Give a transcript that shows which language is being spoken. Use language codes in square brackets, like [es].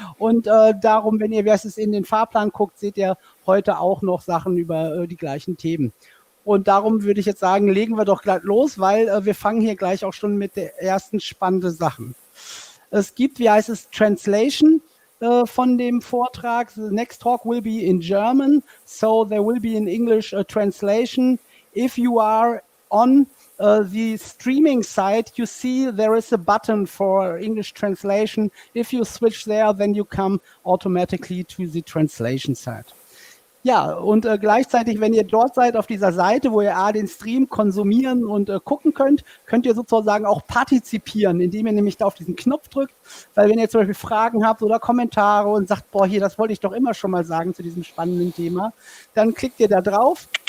[de] Und darum, wenn ihr, wer es ist, in den Fahrplan guckt, seht ihr heute auch noch Sachen über die gleichen Themen. Und darum würde ich jetzt sagen, legen wir doch gleich los, weil wir fangen hier gleich auch schon mit der ersten spannenden Sachen. Es gibt, wie heißt es, Translation von dem Vortrag. [en] The next talk will be in German, so there will be an English translation. If you are on the streaming site, you see there is a button for English translation. If you switch there, then you come automatically to the translation site. [de] Ja, und gleichzeitig, wenn ihr dort seid auf dieser Seite, wo ihr A, den Stream konsumieren und gucken könnt, könnt ihr sozusagen auch partizipieren, indem ihr nämlich da auf diesen Knopf drückt. Weil wenn ihr zum Beispiel Fragen habt oder Kommentare und sagt, boah, hier, das wollte ich doch immer schon mal sagen zu diesem spannenden Thema, dann klickt ihr da drauf.